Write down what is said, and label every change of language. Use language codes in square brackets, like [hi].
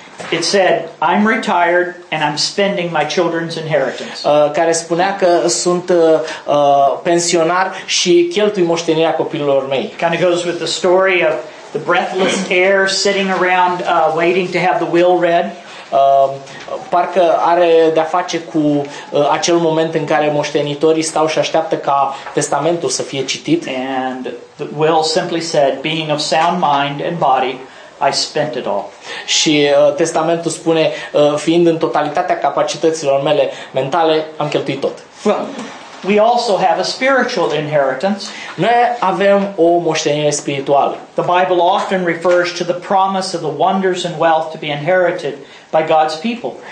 [en] It said, "I'm retired and I'm spending my children's inheritance." [ro] Care spunea că sunt pensionar și cheltui moștenirea copiilor mei. [en] Kind of goes with the story of the breathless heir sitting around waiting to have the will read. [ro] Parcă are de-a face cu acel moment în care moștenitorii stau și așteaptă ca testamentul să fie citit. [en] And the will simply said, "Being of sound mind and body, I spent it all." [ro] Și testamentul spune, fiind în totalitatea capacităților mele mentale, am cheltuit tot. [en] We also have a spiritual inheritance. [ro] Noi avem o moștenire spirituală. [en] The Bible often refers to the promise of the wonders and wealth to be inherited by God's people.